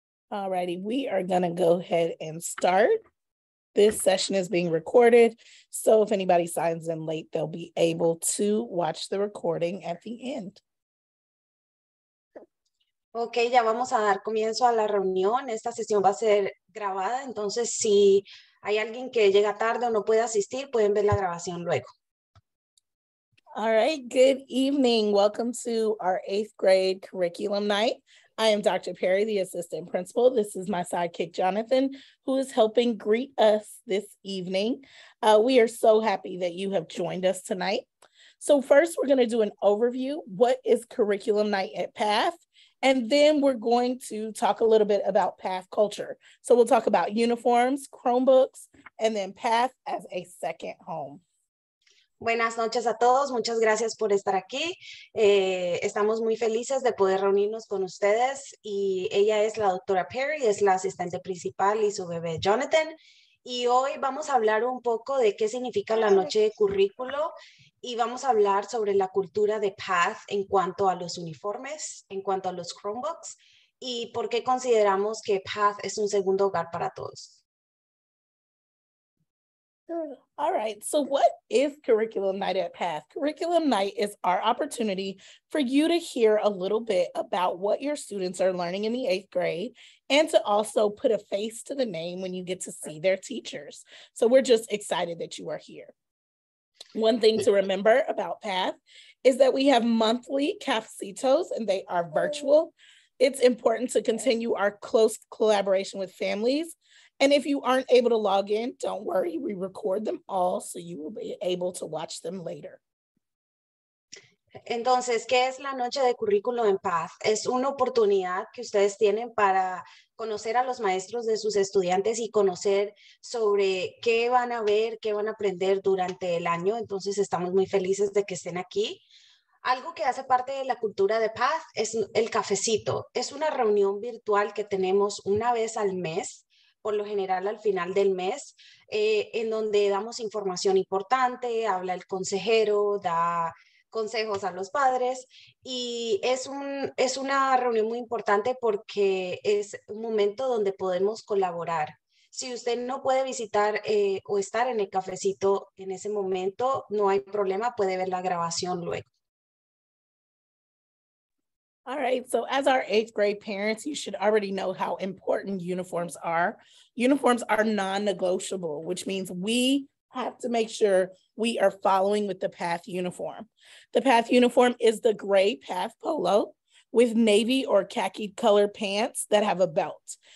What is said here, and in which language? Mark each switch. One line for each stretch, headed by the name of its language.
English: All righty, we are gonna go ahead and start. This session is being recorded, so if anybody signs in late, they'll be able to watch the recording at the end.
Spanish: Okay, ya vamos a dar comienzo a la reunión. Esta sesión va a ser grabada, entonces si hay alguien que llega tarde o no puede asistir, pueden ver la grabación luego.
English: All right, good evening. Welcome to our eighth grade curriculum night. I am Dr. Perry, the assistant principal. This is my sidekick, Jonathan, who is helping greet us this evening. We are so happy that you have joined us tonight. So first, we're going to do an overview. What is curriculum night at PATH? And then we're going to talk a little bit about PATH culture. So we'll talk about uniforms, Chromebooks, and then PATH as a second home.
Spanish: Buenas noches a todos. Muchas gracias por estar aquí. Estamos muy felices de poder reunirnos con ustedes. Y ella es la doctora Perry, es la asistente principal y su bebé Jonathan. Y hoy vamos a hablar un poco de qué significa la noche de currículo. Y vamos a hablar sobre la cultura de PATH en cuanto a los uniformes, en cuanto a los Chromebooks. Y por qué consideramos que PATH es un segundo hogar para todos.
English: All right, so what is Curriculum Night at PATH? Curriculum Night is our opportunity for you to hear a little bit about what your students are learning in the eighth grade and to also put a face to the name when you get to see their teachers. So we're just excited that you are here. One thing to remember about PATH is that we have monthly cafecitos and they are virtual. It's important to continue our close collaboration with families. And if you aren't able to log in, don't worry, we record them all so you will be able to watch them later.
Spanish: Entonces, ¿qué es la noche de currículo en PATH? Es una oportunidad que ustedes tienen para conocer a los maestros de sus estudiantes y conocer sobre qué van a ver, qué van a aprender durante el año. Entonces, estamos muy felices de que estén aquí. Algo que hace parte de la cultura de PATH es el cafecito. Es una reunión virtual que tenemos una vez al mes, por lo general al final del mes, en donde damos información importante, habla el consejero, da consejos a los padres, y es una reunión muy importante porque es un momento donde podemos colaborar. Si usted no puede visitar o estar en el cafecito en ese momento, no hay problema, puede ver la grabación luego.
English: All right, so as our eighth grade parents, you should already know how important uniforms are. Uniforms are non-negotiable, which means we have to make sure we are following with the PATH uniform. The PATH uniform is the gray PATH polo with navy or khaki color pants that have a belt.